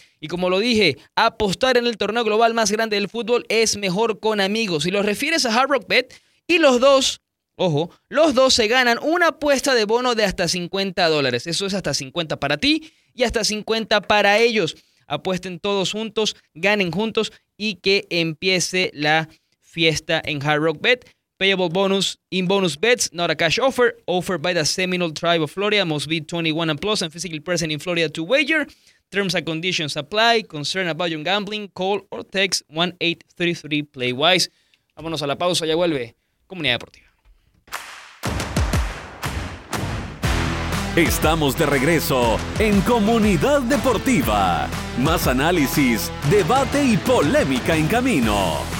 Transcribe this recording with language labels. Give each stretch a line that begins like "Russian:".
Spanish: Y como lo dije, apostar en el torneo global más grande del fútbol es mejor con amigos. Si los refieres a Hard Rock Bet y los dos Ojo, los dos se ganan una apuesta de bono de hasta $50. Eso es hasta 50 para ti y hasta 50 para ellos. Apuesten todos juntos, ganen juntos y que empiece la fiesta en Hard Rock Bet.
English: Payable bonus in bonus bets, not a cash offer. Offered by the Seminole Tribe of Florida. Must be 21 and plus and physically present in Florida to wager. Terms and conditions apply. Concern about your gambling, call or text 1-833-PLAY-WISE.
Spanish: Vámonos a la pausa, ya vuelve Comunidad Deportiva. Estamos de regreso en Comunidad Deportiva. Más análisis, debate y polémica en camino.